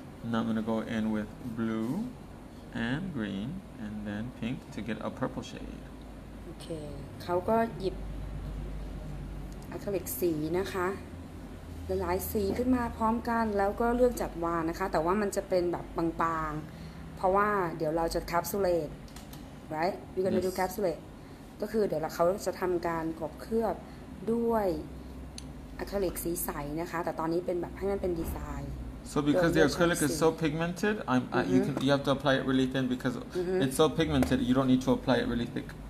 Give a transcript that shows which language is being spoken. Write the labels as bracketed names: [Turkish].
[English] Now I'm going to go in with blue. And green, and then pink to get a purple shade. [Thai] Okay, เขาก็หยิบอะคริลิกสีนะคะหลายสีขึ้นมาพร้อมกันแล้วก็เลือกจับวานนะคะแต่ว่ามันจะเป็นแบบบางๆเพราะว่าเดี๋ยวเราจะแคปซูลเลต [English] right we gonna do capsule [Thai] ก็คือเดี๋ยวเขาจะทำการกรบเคลือบด้วยอะคริลิกสีใสนะคะแต่ตอนนี้เป็นแบบให้มันเป็นดีไซน์ [English] So because the acrylic is so pigmented, you have to apply it really thin because it's so pigmented, you don't need to apply it really thick.